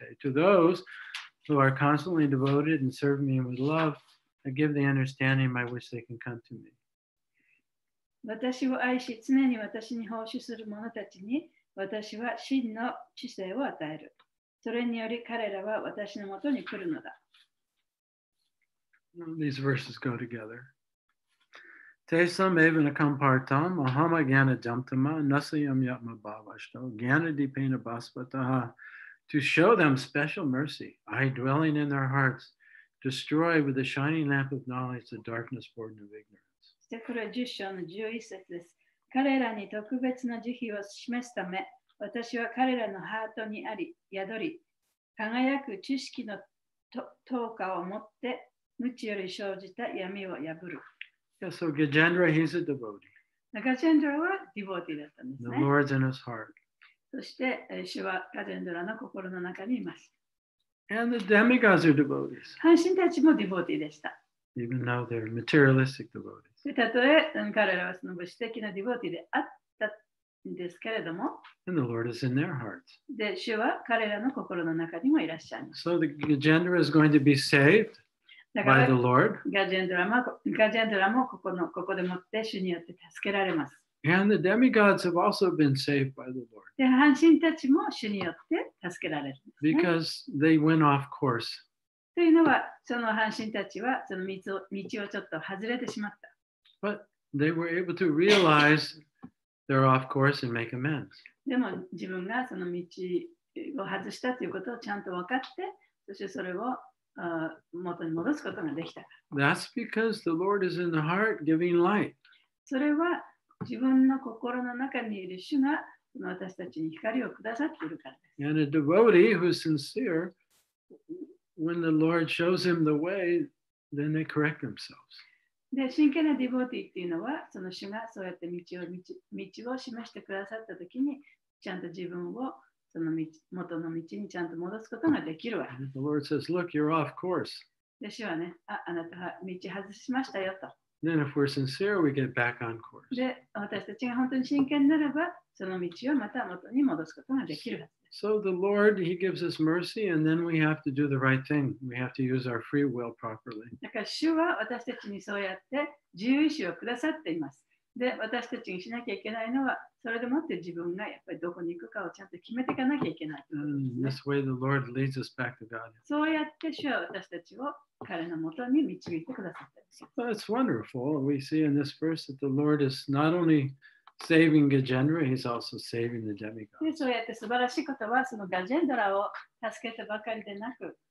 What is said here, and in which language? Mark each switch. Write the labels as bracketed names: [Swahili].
[English] To those who are constantly devoted and serve me with love, I give the understanding by which they can come to me. [Japanese] 私を愛し、常に私に奉仕する者たちに、私は真の知性を与える。それにより彼らは私のもとに来るのだ。 [English] These verses go together. [Sanskrit] テサムエヴナカンパータム、アハマギャナジャムタマ、ナサヤムヤマババシト、ギャナディペナバスパタハ。 [English] To show them special mercy, I dwelling in their hearts, destroy with the shining lamp of knowledge the darkness born of ignorance. [Japanese] そしてこれは10章の11節です。彼らに特別な慈悲を示すため、私は彼らのハートにあり、宿り、輝く知識の灯火を持って、無知より生じた闇を破る。 [English] Yeah, so Gajendra, he's a devotee. [Japanese] Gajendra はディボーティーだったんですね。 [English] The Lord's in his heart. [Japanese] そして、主はガジェンドラの心の中にいます。 [English] And the demigods are devotees. [Japanese] 半神たちもディボーティーでした。 [English] Even though they're materialistic devotees. [Japanese] たとえ、彼らはその物質的なディボーティーであったんですけれども。 [English] And the Lord is in their hearts. [Japanese] で、主は彼らの心の中にもいらっしゃいます。 [English] So the Gajendra is going to be saved. By the Lord. [Japanese] ガジェンドラもここでもって主によって助けられます。 [English] And the demigods have also been saved by the Lord. [Japanese] で、半神たちも主によって助けられる、ね。 [English] Because they went off course. [Japanese] というのは、その半神たちはその道をちょっと外れてしまった。 [English] But they were able to realize they're off course and make amends. [Japanese] でも自分がその道を外したということをちゃんと分かって、そしてそれを元に戻すことができた。 [English] That's because the Lord is in the heart giving light. [Japanese] それは自分の心の中にいる主が私たちに光をくださっているからです。 [English] And a devotee who's sincere, when the Lord shows him the way, then they correct themselves. [Japanese] で、真剣なディボーティーっていうのは、その主がそうやって道を示してくださったときに、ちゃんと自分をその元の道にちゃんと戻すことができるわ。 [English] The Lord says, look, you're off course. [Japanese] で、主はね、あなたは道外しましたよと。 [English] Then if we're sincere, we get back on course. [Japanese] で、私たちが本当に真剣ならば、その道をまた元に戻すことができるわ。 [English] So the Lord, he gives us mercy, and then we have to do the right thing. We have to use our free will properly. [Japanese] だから主は私たちにそうやって自由意志をくださっています。で、私たちにしなきゃいけないのは、それでもって自分がやっぱりどこに行くかをちゃんと決めていかなきゃいけない。 [English] This way the Lord leads us back to God. [Japanese] そうやって主は私たちを彼のもとに導いてくださったんです。 [English] Well, it's wonderful. We see in this verse that the Lord is not onlySaving Gajendra, he's also saving the demigods.